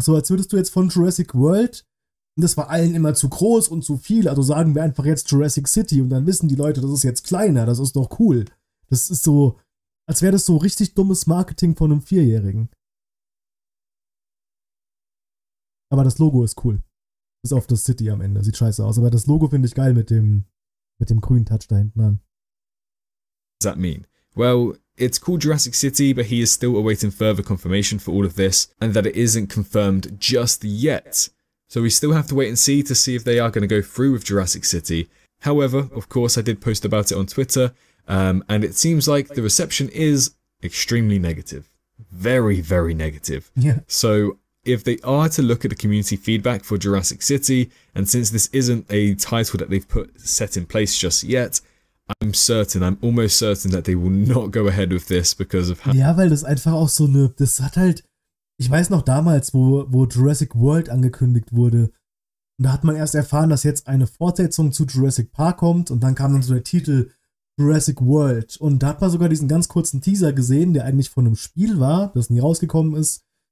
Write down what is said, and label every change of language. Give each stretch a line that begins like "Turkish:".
German: So, als würdest du jetzt von Jurassic World, und das war allen immer zu groß und zu viel, also sagen wir einfach jetzt Jurassic City und dann wissen die Leute, das ist jetzt kleiner, das ist doch cool. Das ist so, als wäre das so richtig dummes Marketing von einem Vierjährigen. Aber das Logo ist cool. Bis auf das City am Ende. Sieht scheiße aus. Aber das Logo finde ich geil mit dem grünen Touch da hinten an.
English: What does that mean? Well, it's called Jurassic City, but he is still awaiting further confirmation for all of this and that it isn't confirmed just yet. So we still have to wait and see to see if they are going to go through with Jurassic City. However, of course, I did post about it on Twitter and it seems like the reception is extremely negative. Very, very negative. Yeah. So if they are to look at the community feedback for Jurassic City, and since this isn't a title that they've put set in place just yet, I'm almost certain that they will not go ahead with this because of how.
German: Ja, weil das einfach auch so eine. Das hat halt. Ich weiß noch damals, wo Jurassic World angekündigt wurde. Und da hat man erst erfahren, dass jetzt eine Fortsetzung zu Jurassic Park kommt. Und dann kam dann so der Titel Jurassic World. Und da hat man sogar diesen ganz kurzen Teaser gesehen, der eigentlich von einem Spiel war, das nie rausgekommen ist.